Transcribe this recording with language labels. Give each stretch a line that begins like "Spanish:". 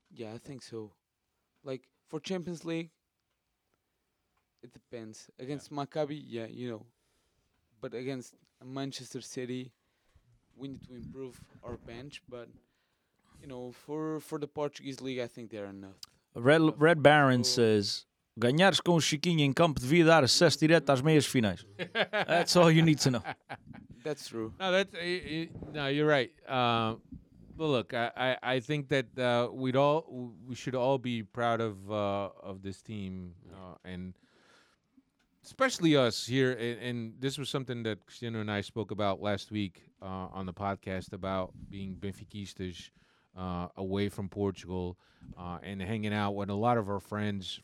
English: Yeah, I think so. Like, for Champions League, it depends. Against Maccabi, yeah, you know. But against Manchester City, we need to improve our bench. But, you know, for the Portuguese League, I think they're enough.
Portuguese: Red Baron says, ganhares com o Chiquinho em campo devia dar acesso direto às meias finais.
English: That's all you need to know. That's true. No, you're right. But look, I think that we should all be proud of this team, and especially us here. And this was something that Cristiano and I spoke about last week on the podcast about being Benfiquistas away from Portugal and hanging out with a lot of our friends.